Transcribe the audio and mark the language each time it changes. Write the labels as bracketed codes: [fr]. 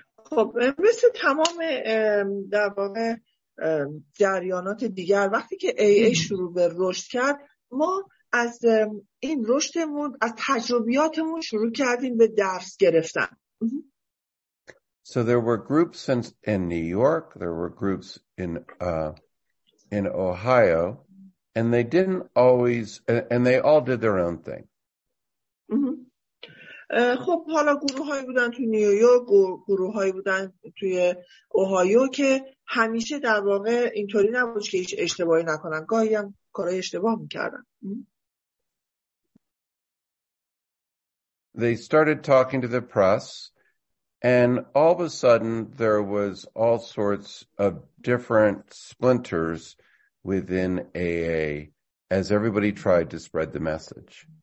[fa] خب مثل تمام در واقع جریانات دیگر وقتی که AA شروع به رشد کرد ما از این رشدمون از تجربیاتمون شروع کردیم به درس گرفتن. [en] So there were groups in New York, there were groups in Ohio. And they didn't always, and they all did their own thing. [fa] خب حالا گروه‌هایی بودن توی نیویورک، گروه‌هایی بودن توی اوهایو که همیشه در واقع اینطوری نبود که هیچ اشتباهی نکنن. گاهی هم کارهای اشتباه می‌کردن. [en] They started talking to the press, and all of a sudden there was all sorts of different splinters within AA as everybody tried to spread the message.